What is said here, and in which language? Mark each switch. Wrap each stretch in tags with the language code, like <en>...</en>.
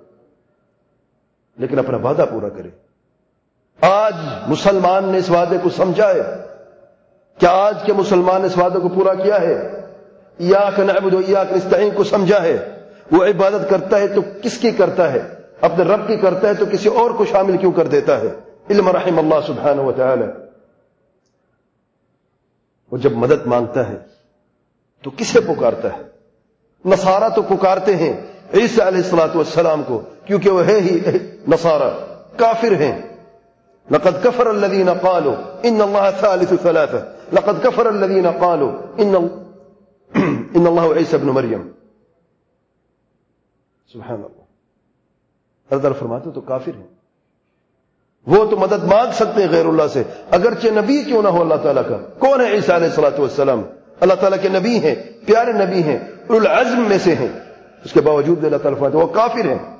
<ur>لیکن اپنا وعدہ پورا کرے. آج مسلمان نے اس وعدے کو سمجھا ہے؟ کیا آج کے مسلمان نے اس وعدے کو پورا کیا ہے؟</ur> <ar>ایاک نعبد و ایاک نستعین</ar> <ur>کو سمجھا ہے؟ وہ عبادت کرتا ہے تو کس کی کرتا ہے؟ اپنے رب کی کرتا ہے تو کسی اور کو شامل کیوں کر دیتا ہے؟ علم رحم اللہ سبحانہ و تعالی. وہ جب مدد مانگتا ہے تو کسے پکارتا ہے؟ نصارہ تو پکارتے ہیں عیسیٰ علیہ الصلوۃ والسلام کو، کیونکہ وہ ہے ہی نصارہ، کافر ہیں.</ur> <ar>لقد كفر الذين قالوا ان الله ثالث ثلاثه، لقد كفر الذين قالوا ان الله عيسى ابن مريم.</ar> <ur>سبحان الله، حضرت فرماتے ہیں تو کافر ہیں. وہ تو مدد مانگ سکتے ہیں غیر اللہ سے، اگرچہ نبی کیوں نہ ہو اللہ تعالیٰ کا. کون ہے عیسیٰ علیہ الصلوۃ والسلام؟ اللہ تعالیٰ کے نبی ہیں، پیارے نبی ہیں، اولو العزم میں سے ہیں، اس کے باوجود اللہ تعالیٰ فرماتے ہیں وہ کافر ہیں.</ur>